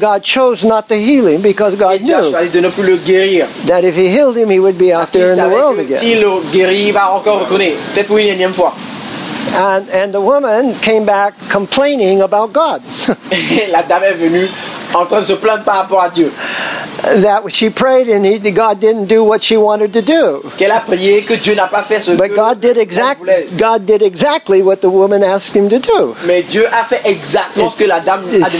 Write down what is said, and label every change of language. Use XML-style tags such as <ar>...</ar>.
<en>God chose not to heal him because God knew</en> <fr>de ne plus le guérir.</fr> <en>That if he healed him, he would be out there in the world again.</en> <fr>S'il le guérit, il va encore retourner, peut-être pour une énième fois.</fr> <en>And the woman came back complaining about God.</en> <fr>La dame est venue en train de se plaindre par rapport à Dieu.</fr> <en>That she prayed and God didn't do what she wanted to do.</en> <fr>Qu'elle a prié que Dieu n'a pas fait ce</fr> <en>but</en> <fr>que</fr> <en>God did exactly. God did exactly what the woman asked him to do.</en> <fr>Mais Dieu a fait exactement ce que la dame a demandé.</fr>